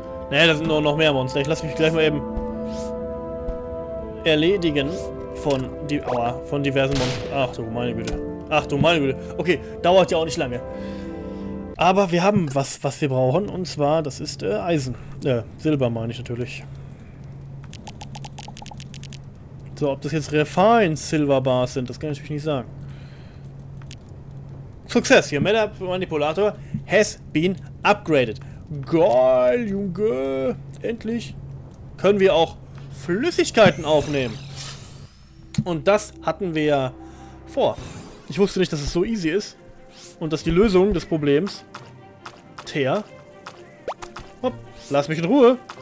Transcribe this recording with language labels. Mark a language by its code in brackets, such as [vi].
[de] Naja, da sind nur noch mehr Monster. Ich lasse mich gleich mal eben erledigen von die von diversen Monstern. Ach du meine Güte. Ach du meine Güte. Okay, dauert ja auch nicht lange. Aber wir haben was, was wir brauchen, und zwar, das ist Eisen. Silber meine ich natürlich. So, ob das jetzt Refined Silver Bars sind, das kann ich natürlich nicht sagen. [en] Success, your Meta Manipulator has been upgraded. [de] Geil, Junge. Endlich können wir auch Flüssigkeiten aufnehmen. Und das hatten wir ja vor. Ich wusste nicht, dass es so easy ist. Und dass die Lösung des Problems. Teer. Hopp, lass mich in Ruhe.